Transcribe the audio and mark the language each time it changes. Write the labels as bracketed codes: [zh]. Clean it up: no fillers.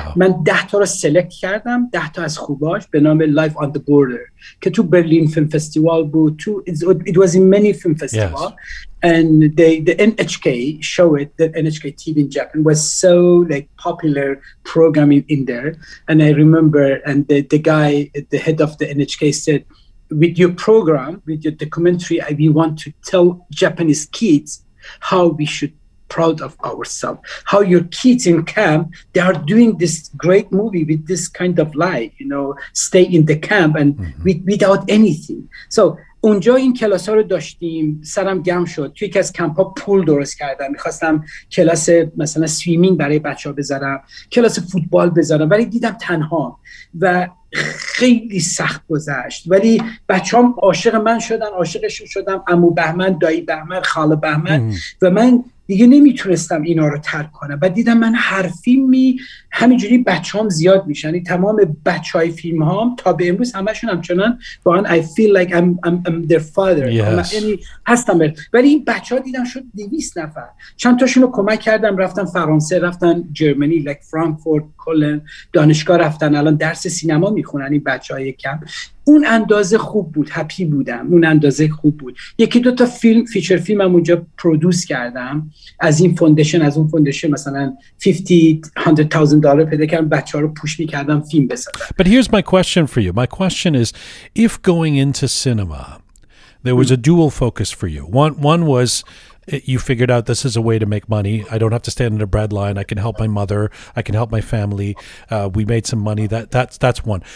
[fa] من 10 رو سلکت کردم، 10 از خوباش به نام Life on the Border که تو برلین فیلم فستیوال بود، تو [en] it was in many film festival. Yes. And the NHK show it, the NHK TV in Japan was so like popular programming in there. And I remember, and the guy, the head of the NHK said, with your program, with your documentary, we want to tell Japanese kids how we should be proud of ourselves, how your kids in camp, they are doing this great movie with this kind of life, you know, stay in the camp and mm-hmm. without anything. [fa] So اونجا این کلاس ها رو داشتیم، سرم گرم شد. توی یکی از کمپ ها پول درست کردم، میخواستم کلاس مثلا سویمینگ برای بچه ها بذارم، کلاس فوتبال بذارم، ولی دیدم تنها و خیلی سخت گذشت. ولی بچه هم عاشق من شدن، عاشقشون شدم، عمو بهمن، دایی بهمن، خاله بهمن، و من دیگه نمیتونستم اینا رو ترک کنم. بعد دیدم من حرفی می همینجوری بچه‌هام زیاد میشن، تمام بچهای فیلم هام تا به امروز همشون همچنان با من [en] I feel like I'm their father. Yes. [fa] من هستم. ولی این بچه‌ها دیدم شد 200 نفر. چند تاشون رو کمک کردم، رفتن فرانسه، رفتن جرمنی like فرانکفورت، کلن، دانشگاه رفتن، الان درس سینما میخونن این بچهای کمپ. اون اندازه خوب بود، هپی بودم، اون اندازه خوب بود. یکی دوتا فیلم، فیچر فیلم هم اونجا پرودوس کردم، از این فوندیشن، از اون فوندیشن مثلا 50-100,000 دلار پیدا کردم، بچه ها رو پوش می کردم فیلم بسازم. [en] But here's my question for you. My question is, if going into cinema, there was a dual focus for you. One was, you figured out this is a way to make money. I don't have to stand in a bread line. I can help my mother. I can help my family. We made some money. That's one.